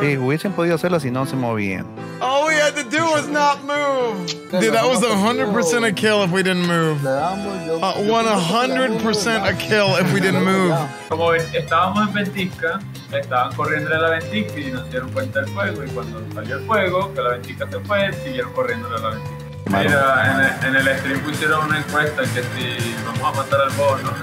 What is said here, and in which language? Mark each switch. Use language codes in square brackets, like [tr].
[es] Sí, hubiesen podido hacerla si no se movían. [en] All we had to do was not move. Dude, that was 100% a kill if we didn't move. 100% a kill if we didn't move. [es] Como estábamos en ventisca, estaban corriendo de la ventisca y no se dieron cuenta del fuego. Y cuando salió el fuego, que la ventisca se fue, siguieron corriendo de la ventisca. Mira, en el stream pusieron una encuesta que si vamos a matar al boss, ¿no?